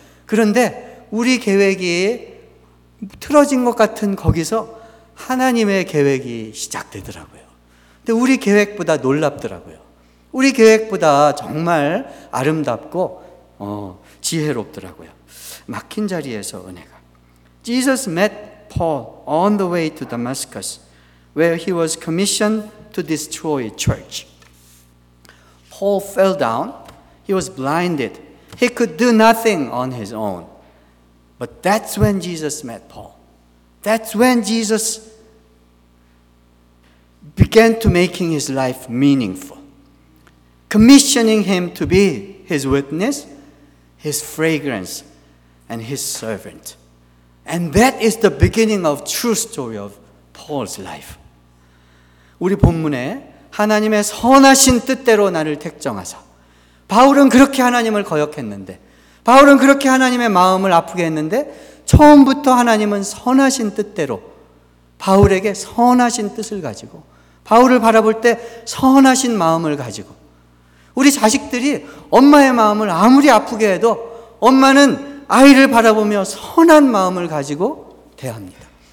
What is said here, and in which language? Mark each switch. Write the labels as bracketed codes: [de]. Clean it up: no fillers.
[ko] 그런데 우리 계획이 틀어진 것 같은 거기서 하나님의 계획이 시작되더라고요. 근데 우리 계획보다 놀랍더라고요. 우리 계획보다 정말 아름답고 지혜롭더라고요. 막힌 자리에서 은혜가. [en] Jesus met Paul on the way to Damascus where he was commissioned to destroy church. Paul fell down. He was blinded. He could do nothing on his own. But that's when Jesus met Paul. That's when Jesus began to making his life meaningful. Commissioning him to be his witness, his fragrance, and his servant. And that is the beginning of true story of Paul's life. [ko] 우리 본문에 하나님의 선하신 뜻대로 나를 택정하사. 바울은 그렇게 하나님을 거역했는데, 바울은 그렇게 하나님의 마음을 아프게 했는데, 처음부터 하나님은 선하신 뜻대로 바울에게 선하신 뜻을 가지고, 바울을 바라볼 때 선하신 마음을 가지고, 우리 자식들이 엄마의 마음을 아무리 아프게 해도 엄마는 아이를 바라보며 선한 마음을 가지고 대합니다.